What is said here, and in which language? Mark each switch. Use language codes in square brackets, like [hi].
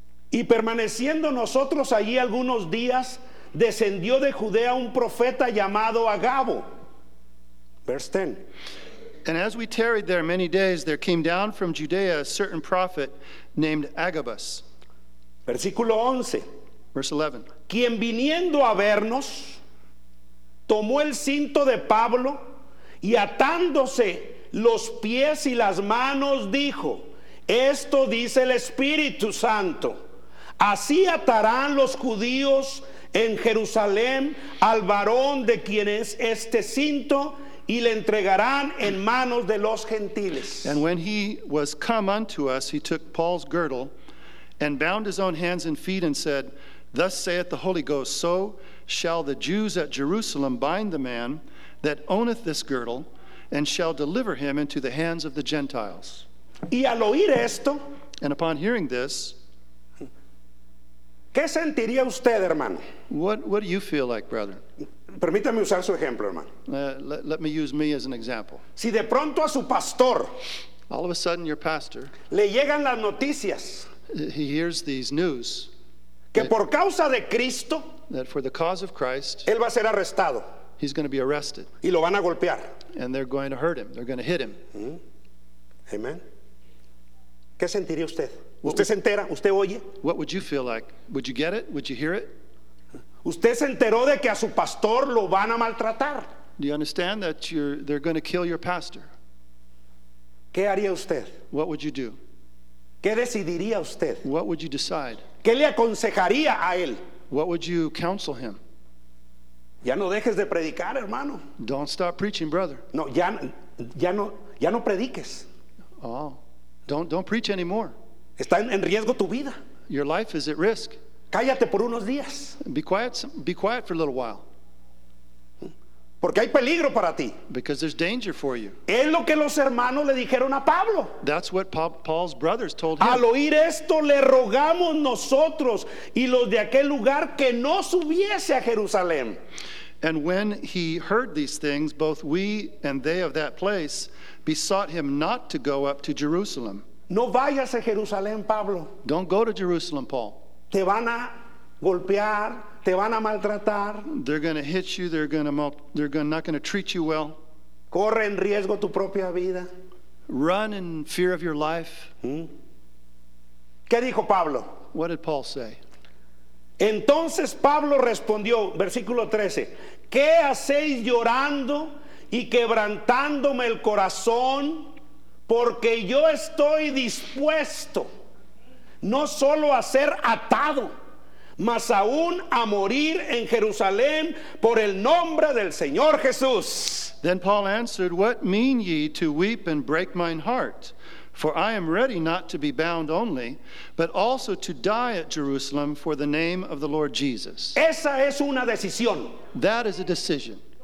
[es] Y permaneciendo nosotros allí algunos días, descendió de Judea un profeta llamado Agabo. [en] Verse 10. And as we tarried there many days, there came down from Judea a certain prophet named Agabus. [es] Versículo 11. [en] Verse 11. [es] Quien viniendo a vernos, tomó el cinto de Pablo, y atándose los pies y las manos, dijo, esto dice el Espíritu Santo, así atarán los judíos en Jerusalén al varón de quien es este cinto, y le entregarán en manos de los gentiles. [en] And when he was come unto us, he took Paul's girdle and bound his own hands and feet and said, thus saith the Holy Ghost, so shall the Jews at Jerusalem bind the man that owneth this girdle and shall deliver him into the hands of the Gentiles. [es] Y al oír esto, [en] and upon hearing this, [es] ¿qué sentiría usted, hermano? [en] What do you feel like, brother? [es] Permítame usar su ejemplo, hermano. [en] Let me use me as an example. [es] Si de pronto a su pastor, [en] all of a sudden your pastor, [es] le llegan las noticias, [en] he hears these news, [es] que por causa de Cristo, [en] that for the cause of Christ, [es] él va a ser arrestado, [en] he's going to be arrested, [es] y lo van a golpear, [en] and they're going to hurt him, they're going to hit him. [es] Amen. ¿Qué sentiría usted? ¿Usted se entera? ¿Usted oye? [en] What would you feel like? Would you get it? Would you hear it? [es] Usted se enteró de que a su pastor lo van a maltratar. [en] Do you understand that they're going to kill your pastor? [es] ¿Qué haría usted? [en] What would you do? [es] ¿Qué decidiría usted? [en] What would you decide? [es] ¿Qué le aconsejaría a él? [en] What would you counsel him? [es] Ya no dejes de predicar, hermano. [en] Don't stop preaching, brother. [es] No, ya no prediques. [en] Oh, don't preach anymore. [es] Está en riesgo tu vida. [en] Your life is at risk. [es] Cállate por unos días. [en] Be quiet for a little while. [es] Porque hay peligro para ti. [en] Because there's danger for you. [es] Es lo que los hermanos le dijeron a Pablo. [en] That's what Paul's brothers told him. [es] Al oír esto, le rogamos nosotros y los de aquel lugar que no subiese a Jerusalén. [en] And when he heard these things, both we and they of that place besought him not to go up to Jerusalem. [es] No vayas a Jerusalén, Pablo. [en] Don't go to Jerusalem, Paul. [es] Te van a golpear, te van a maltratar. [en] They're going to hit you. They're not going to treat you well. [es] Corre en riesgo tu propia vida. [en] Run in fear of your life. [es] ¿Qué dijo Pablo? [en] What did Paul say? [es] Entonces Pablo respondió, versículo 13, ¿qué hacéis llorando y quebrantándome el corazón? Porque yo estoy dispuesto no solo a ser atado, mas aún a morir en Jerusalén por el nombre del Señor Jesús. [en] Then Paul answered, what mean ye to weep and break mine heart? For I am ready not to be bound only, but also to die at Jerusalem for the name of the Lord Jesus. [es] Esa es una decisión. [en] That is a decision.